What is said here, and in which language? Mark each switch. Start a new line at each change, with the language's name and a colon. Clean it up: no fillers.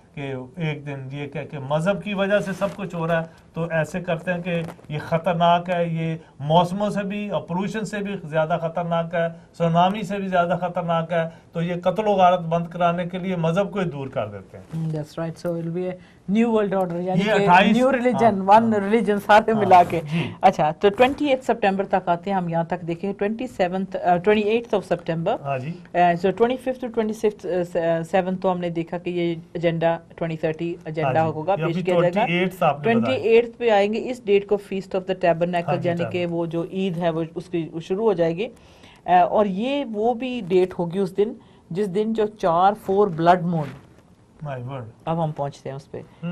Urdu: کہ ایک دن یہ کہہ کے مذہب کی وجہ سے سب کچھ ہو رہا ہے تو ایسے کرتے ہیں کہ یہ خطرناک ہے, یہ موسموں سے بھی اور پولوشن سے بھی زیادہ خطرناک ہے, سونامی سے بھی زیادہ خطرناک ہے, تو یہ قتل و غارت بند کرانے کے لیے مذہب کو دور کر دیتے ہیں.
English: That's right. So it'll be a new world order,
Urdu: یعنی کہ
English: new religion, one religion
Urdu: سارے ملا کے. اچھا تو 28 سپٹمبر تک آتے ہیں ہم یہاں تک دیکھیں,
English: 28th of September,
Urdu: ہاں جی, سو
English: 25th to 27th
Urdu: تو ہم نے دیکھا کہ یہ ایجنڈا 2030 ایجنڈا ہوگا پیش کیا جائے گا.
English: 28th
Urdu: پہ آئیں گے, اس ڈیٹ کو فیسٹ آف دا ٹیبرنیکل یعنی کہ وہ جو عید ہے وہ اس کی شروع ہو جائے گی, اور یہ وہ بھی ڈیٹ ہوگی اس دن جس دن جو 4-4 بلڈ مون, اب ہم پہنچتے ہیں اس پہ.